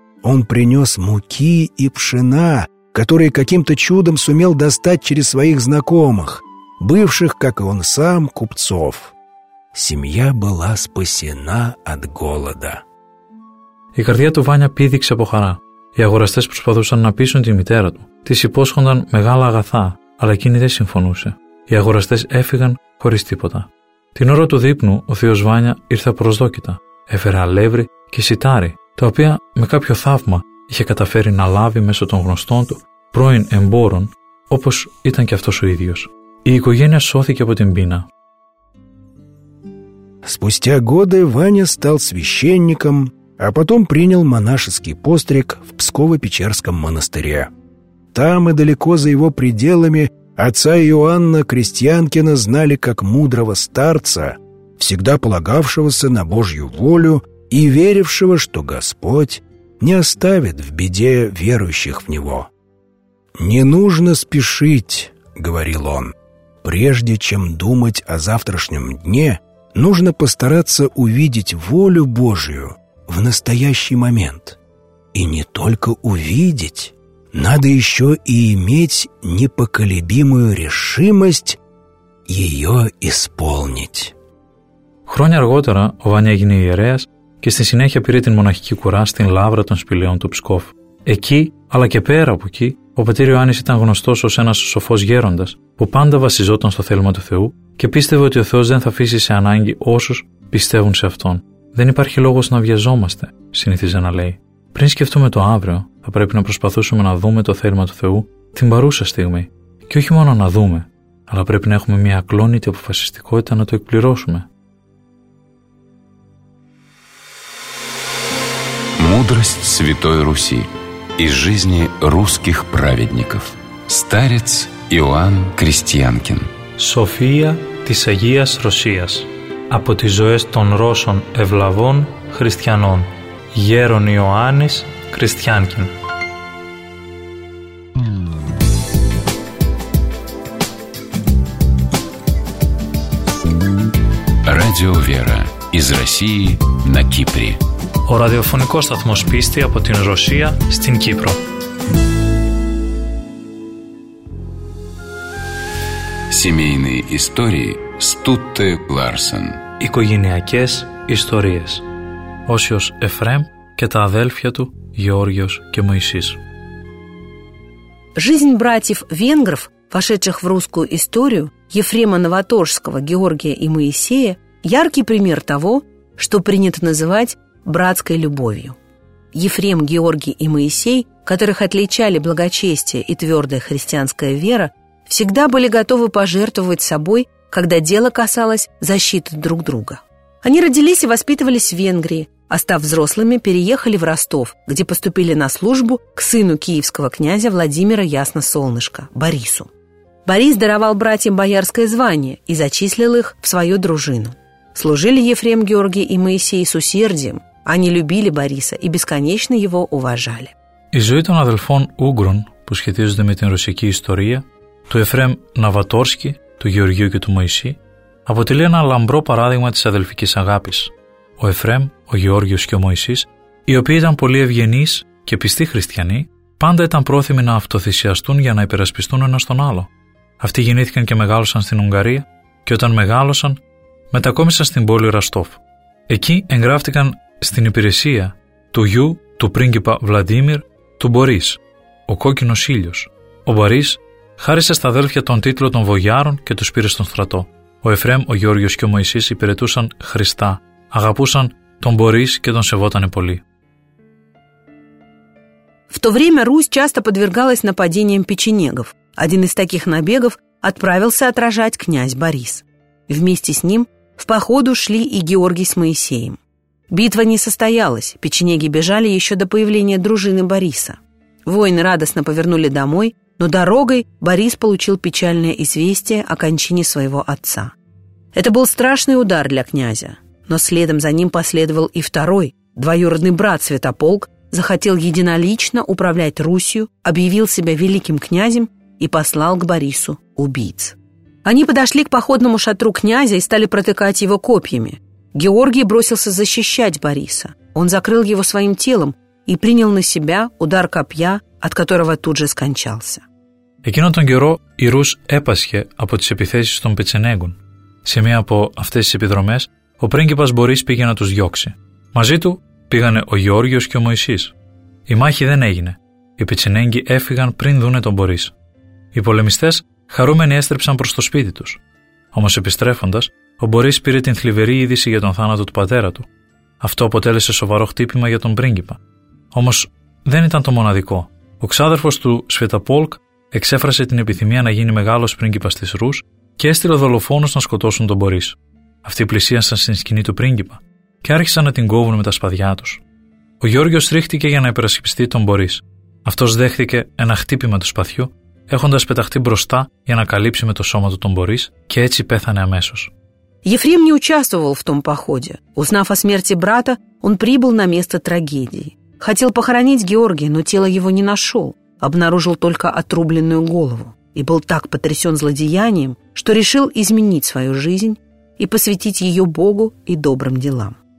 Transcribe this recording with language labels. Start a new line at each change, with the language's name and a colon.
Russian: Он принес муки и пшена, которые каким-то чудом сумел достать через своих знакомых, бывших, как и он сам, купцов. Семья была спасена от голода.
Greek: Η καρδιά του Βάνια πήδηξε από χαρά. Οι αγοραστές προσπαθούσαν να πείσουν τη μητέρα του. Της υπόσχονταν μεγάλα αγαθά, αλλά εκείνη δεν συμφωνούσε. Οι αγοραστές έφυγαν χωρίς τίποτα. Την ώρα του δείπνου, ο θείος Βάνια ήρθε απροσδόκητα. Έφερε αλεύρι και σιτάρι, τα οποία με κάποιο θαύμα είχε καταφέρει να λάβει μέσω των γνωστών του πρώην εμπόρων, όπως ήταν και αυτός ο ίδιος. Η οικογένεια σώθηκε από την πείνα.
Russian: Спустя годы Ваня стал священником, а потом принял монашеский постриг в Псково-Печерском монастыре. Там и далеко за его пределами отца Иоанна Крестьянкина знали как мудрого старца, всегда полагавшегося на Божью волю и верившего, что Господь не оставит в беде верующих в Него. «Не нужно спешить», — говорил он, — «прежде чем думать о завтрашнем дне, нужно постараться увидеть волю Божию в настоящий момент. И не только увидеть, надо еще и иметь непоколебимую решимость ее исполнить».
Greek: Χρόνια αργότερα ο Ваня έγινε ιερέας και στη συνέχεια πήρε την μοναχική κουρά στην Λαύρα των Σπηλαιών του Ψκόφ. Εκεί, αλλά και πέρα από εκεί, ο πατήρ Ιωάννης ήταν γνωστός ως ένας σοφός γέροντας που πάντα βασιζόταν στο θέλημα του Θεού και πίστευε ότι ο Θεός δεν θα αφήσει σε ανάγκη όσους πιστεύουν σε Αυτόν. «Δεν υπάρχει λόγος να βιαζόμαστε», συνήθιζε να λέει. «Πριν σκεφτούμε το αύριο, θα πρέπει να προσπαθήσουμε να δούμε το θέλημα του Θεού την παρούσα στιγμή. Και όχι μόνο να δούμε, αλλά πρέπει να έχουμε μια ακλόνητη αποφασιστικότητα να το εκπληρώσουμε».
Russian: Мудрость Святой Руси из жизни русских праведников. Старец Иоанн Крестьянкин.
Greek: София της Агίας Ρωσίας. Από τις ζωές των Ρώσων ευλαβών χριστιανών. Γέρον Ιωάννης Κριστιάνκιν.
Russian: Radio Vera из России на Кипре.
Greek: Ο ραδιοφωνικός σταθμός πίστη από την Ρωσία στην Κύπρο.
Russian: Семейные истории Стутте Ларсен.
Greek: Οικογενειακές ιστορίες. Όσιος Εφραίμ και τα αδέλφια του Γεώργιος και Μωυσής.
Russian: Жизнь братьев венгров, вошедших в русскую историю, Ефрема Новоторжского, Георгия и Моисея, яркий пример того, что принято называть братской любовью. Ефрем, Георгий и Моисей, которых отличали благочестие и твердая христианская вера, всегда были готовы пожертвовать собой, когда дело касалось защиты друг друга. Они родились и воспитывались в Венгрии, а став взрослыми, переехали в Ростов, где поступили на службу к сыну киевского князя Владимира Ясносолнышка, Борису. Борис даровал братьям боярское звание и зачислил их в свою дружину. Служили Ефрем, Георгий и Моисей с усердием, они любили Бориса и бесконечно его уважали.
Greek: Η ζωή των αδελφών Ούγκρων, που σχετίζονται με την ρωσική ιστορία, του Εφραίμ Ναβατόρσκι, του Γεωργίου και του Μωυσή, αποτελεί ένα λαμπρό παράδειγμα της αδελφικής αγάπης. Ο Εφραίμ, ο Γεώργιος και ο Μωυσής, οι οποίοι ήταν πολύ ευγενείς και πιστοί χριστιανοί, πάντα ήταν πρόθυμοι να αυτοθυσιαστούν για να υπερασπιστούν ένας τον άλλο. Αυτοί γεννήθηκαν και μεγάλωσαν στην Ουγγαρία και όταν μεγάλωσαν, μετακόμισαν στην πόλη Ραστόφ. Εκεί εγγράφτηκαν στην υπηρεσία του γιου του πρίγκιπα Βλαντίμιρ, του Μπορίς, ο κόκκινος ήλιος. Ο Μπορίς χάρισε στα αδέλφια τον τίτλο των βογιάρων και τους πήρε στον στρατό. Ο Εφραίμ, ο Γεώργιος και ο Μωυσής υπηρετούσαν Χριστά, αγαπούσαν τον Μπορίς και τον σεβότανε πολύ.
Russian: В то время Русь часто подвергалась нападениям печенегов. Один из таких набегов отправился отражать князь Борис. Вместе с ним в походу шли и Георгий с Моисеем. Битва не состоялась, печенеги бежали еще до появления дружины Бориса. Воины радостно повернули домой, но дорогой Борис получил печальное известие о кончине своего отца. Это был страшный удар для князя, но следом за ним последовал и второй, двоюродный брат Святополк, захотел единолично управлять Русью, объявил себя великим князем и послал к Борису убийц. Они подошли к походному шатру князя и стали протыкать его копьями. Георгий бросился защищать Бориса. Он закрыл его своим телом и принял на себя удар копья, от которого тут же скончался.
Greek: Εκείνον τον καιρό η Ρούς έπασχε από τις επιθέσεις των Πετσενέγκων. Σε μία από αυτές τις επιδρομές, ο πρίγκιπας Μπορίς πήγε να τους διώξει. Μαζί του πήγανε ο Γεώργιος και ο Μωυσής. Η μάχη δεν έγινε. Οι Πετσενέγκοι έφυγαν πριν δούνε τον Μπορίς. Οι πολεμιστές χαρούμενοι έστρεψαν προς το σπίτι τους. Όμως επιστρέφοντας, ο Μπορίς πήρε την θλιβερή είδηση για τον θάνατο του πατέρα του. Αυτό αποτέλεσε σοβαρό χτύπημα για τον πρίγκιπα. Όμως δεν ήταν το μοναδικό. Ο ξάδερφος του Σβιατοπόλκ εξέφρασε την επιθυμία να γίνει μεγάλος πρίγκιπας της Ρους και έστειλε δολοφόνους να σκοτώσουν τον Μπορίς. Αυτοί πλησίασαν στην σκηνή του πρίγκιπα και άρχισαν να την κόβουν με τα σπαδιά τους. Ο Γιώργιος ρίχτηκε για να υπερασπιστεί τον Μπορίς. Αυτός δέχτηκε ένα χτύπημα του σπαθιού, έχοντας πεταχτεί μπροστά για να καλύψει με το σώμα του τον Μπορίς και έτσι πέθανε αμέσως.
Russian: Ефрем не участвовал в том походе. Узнав о смерти брата, он прибыл на место трагедии. Хотел похоронить Георгия, но тело его не нашел, обнаружил только отрубленную голову и был так потрясен злодеянием, что решил изменить свою жизнь и посвятить ее Богу и добрым делам.